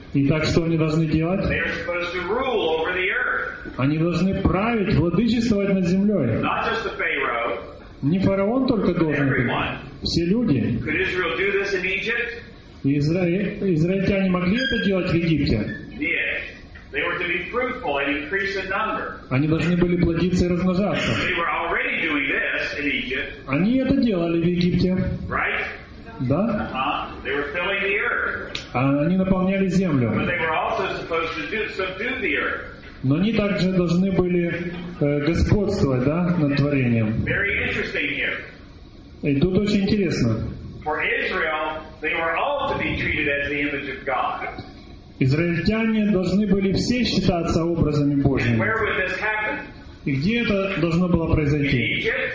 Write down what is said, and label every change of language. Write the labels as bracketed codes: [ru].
[ru] Итак, что они должны делать? [en] They're supposed to rule over the earth. [ru] Они должны править, владычествовать над землей. [en] Not just the Pharaoh. [ru] Не фараон только должен быть. [en] Everyone. [ru] Все люди. [en] Could Israel do this in Egypt? [ru] Израильтяне могли это делать в Египте? [en] They were to be fruitful and increase in number. [ru] Они должны были плодиться и размножаться. [en] They were already doing this in Egypt. [ru] Они это делали в Египте. [en] Right? [ru] Да. [en] They were filling the earth. [ru] А они наполняли землю. [en] But they were also supposed to subdue the earth. [ru] Но они также должны были господствовать, да, над творением. [en] Very interesting here. [ru] И тут очень интересно. [en] For Israel, they were all to be treated as the image of God. [ru] Израильтяне должны были все считаться образами Божьими. И где это должно было произойти?